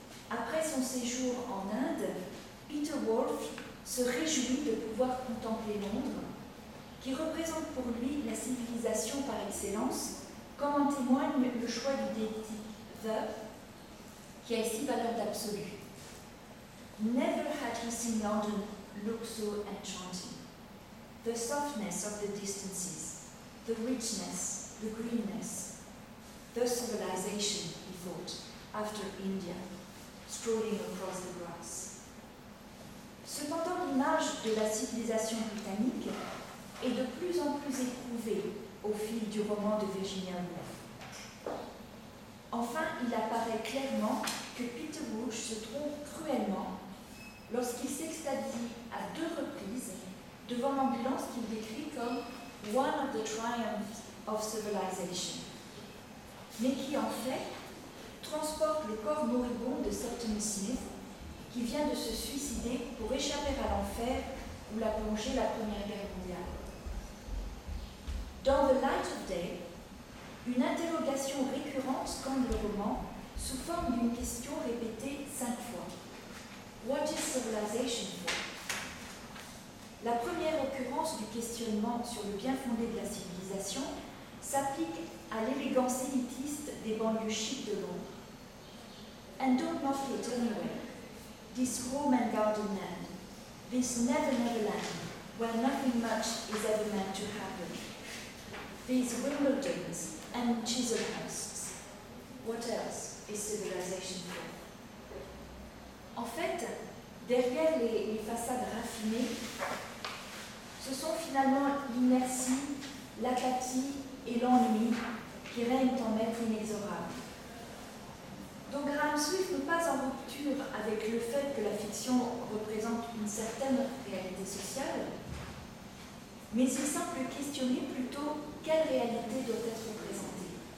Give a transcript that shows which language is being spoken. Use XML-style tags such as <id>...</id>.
<fr>Après son séjour en Inde, Peter Wolfe se réjouit de pouvoir contempler Londres, qui représente pour lui la civilisation par excellence, comme en témoigne le choix du diptyque The, qui a ici valeur d'absolu.</fr> <en>Never had he seen London look so enchanting. The softness of the distances, the richness, the greenness, the civilization, he thought, after India, strolling across the grass.</en> <fr>Cependant, l'image de la civilisation britannique est de plus en plus éprouvée au fil du roman de Virginia Woolf. Enfin, il apparaît clairement que Peter Rouge se trompe cruellement lorsqu'il s'extasie à 2 reprises devant l'ambulance qu'il décrit comme «</fr> <en>one of the triumphs of civilization</en> <fr>», mais qui en fait transporte le corps moribond de Septim Smith qui vient de se suicider pour échapper à l'enfer où l'a plongé la Première Guerre mondiale. Dans The Light of Day, une interrogation récurrente comme le roman sous forme d'une question répétée 5 fois.</fr> <en>What is civilization for?</en> <fr>La première occurrence du questionnement sur le bien fondé de la civilisation s'applique à l'élégance élitiste des banlieues chic de Londres.</fr> <en>And don't mock it anyway, this Roman garden land, this never-never land, where nothing much is ever meant to happen. These Wimbledons and Chislehursts, what else is civilization for?</en> <fr>En fait, derrière les façades raffinées, ce sont finalement l'inertie, l'apathie et l'ennui qui règnent en maître inexorable. Donc Graham Swift n'est pas en rupture avec le fait que la fiction représente une certaine réalité sociale, mais il semble questionner plutôt quelle réalité doit être représentée.</fr>